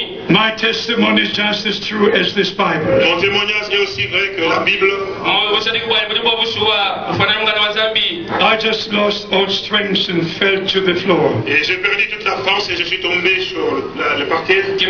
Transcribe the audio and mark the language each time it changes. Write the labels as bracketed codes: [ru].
[en] My testimony is just as true as this Bible. [fr] Mon témoignage est aussi vrai que la Bible. [en] I just lost all strength and fell to the floor. [fr] Et j'ai perdu toute la force et je suis tombé sur le parquet.